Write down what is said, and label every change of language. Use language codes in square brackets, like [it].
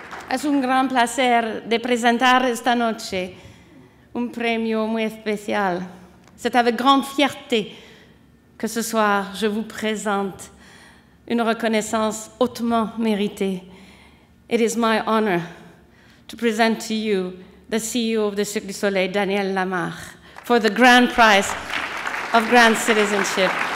[es] Es un gran placer de presentar esta noche un premio muy especial. [fr] C'est avec grande fierté que ce soir je vous présente une reconnaissance hautement méritée. [en] It is my honor to present to you the CEO of the Cirque du Soleil, Daniel Lamarre, for the grand prize of grand citizenship.